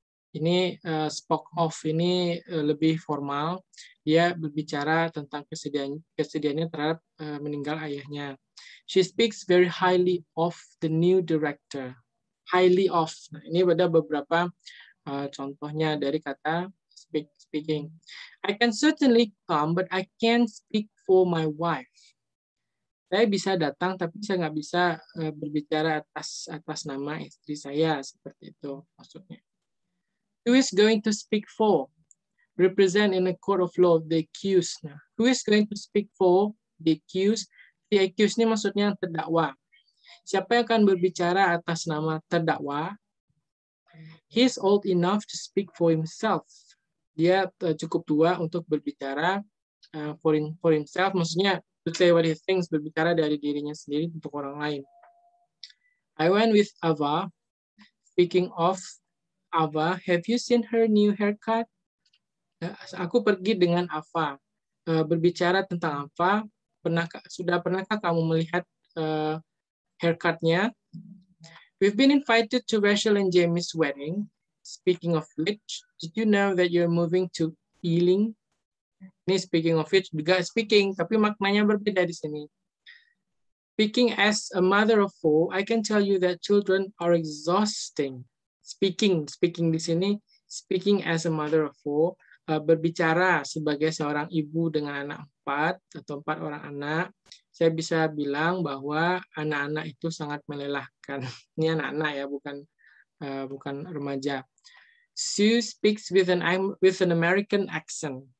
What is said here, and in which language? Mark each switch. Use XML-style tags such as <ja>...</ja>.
<id>Ini</id> <en>spoke of,</en> <id>ini lebih formal. Dia berbicara tentang kesedihannya terhadap meninggal ayahnya.</id> <en>She speaks very highly of the new director. Highly of.</en> <id>Nah, ini ada beberapa contohnya dari kata speaking.</id> <en>I can certainly come, but I can't speak for my wife.</en> <id>Saya bisa datang, tapi saya nggak bisa berbicara atas nama istri saya, seperti itu maksudnya.</id> <en>Who is going to speak for, represent in a court of law, the accused? Nah, who is going to speak for the accused? The accused</en> <id>ini maksudnya terdakwa. Siapa yang akan berbicara atas nama terdakwa?</id> <en>He's old enough to speak for himself.</en> <id>Dia cukup tua untuk berbicara for himself, maksudnya</id> <en>to say what he thinks,</en> <id>berbicara dari dirinya sendiri untuk orang lain.</id> <en>I went with Ava. Speaking of Ava, have you seen her new haircut?</en> <id>Aku pergi dengan Ava. Berbicara tentang Ava, sudah pernahkah kamu melihat haircut-nya?</id> <en>We've been invited to Rachel and Jamie's wedding. Speaking of which, did you know that you're moving to Ealing?</en> <id>Ini</id> <en>speaking of which,</en> <id>juga speaking, tapi maknanya berbeda di sini.</id> <en>Speaking as a mother of four, I can tell you that children are exhausting.</en> <id>Speaking di sini,</id> <en>speaking as a mother of four,</en> <id>berbicara sebagai seorang ibu dengan anak empat atau empat orang anak, saya bisa bilang bahwa anak-anak itu sangat melelahkan. Ini anak-anak ya, bukan remaja.</id> <en>Sue speaks with an American accent.</en>